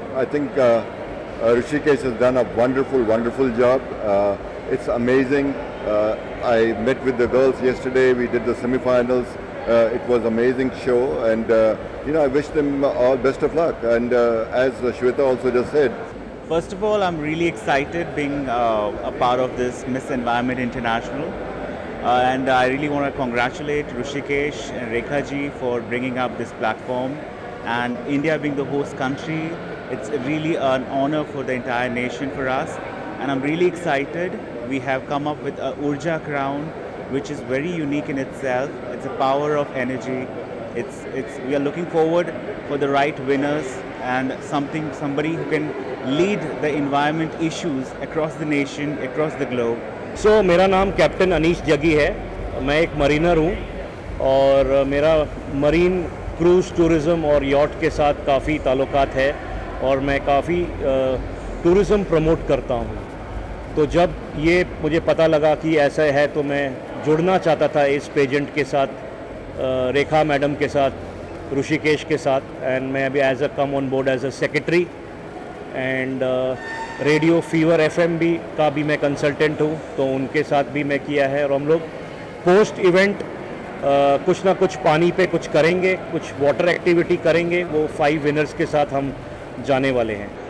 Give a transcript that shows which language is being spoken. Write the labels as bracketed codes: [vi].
[en] I think Rishikesh has done a wonderful job, it's amazing. I met with the girls yesterday, we did the semifinals, it was amazing show, and you know I wish them all best of luck. And as Shweta also just said, First of all, I'm really excited being a part of this Miss Environment International, and I really want to congratulate Rushikesh and Rekha ji for bringing up this platform, and India being the host country, it's really an honor for the entire nation for us, and I'm really excited. We have come up with a Urja crown, which is very unique in itself. It's a power of energy. It's we are looking forward for the right winners and somebody who can lead the environment issues across the nation, across the globe. [hi] So, मेरा नाम captain Anish जगी है, मैं एक Mariner हूँ, और मेरा marine cruise tourism और यॉट के साथ काफ़ी ताल्लुकात है, और मैं काफ़ी टूरिज्म प्रमोट करता हूँ। तो जब ये मुझे पता लगा कि ऐसा है, तो मैं जुड़ना चाहता था इस पेजेंट के साथ, रेखा मैडम के साथ, ऋषिकेश के साथ, एंड मैं अभी [en] as a come on board as a secretary, [hi] and radio fever FM भी का भी मैं कंसल्टेंट हूँ, तो उनके साथ भी मैं किया है, और हम लोग पोस्ट इवेंट कुछ ना कुछ पानी पे कुछ करेंगे, कुछ वाटर एक्टिविटी करेंगे, वो 5 विनर्स के साथ हम जाने वाले हैं।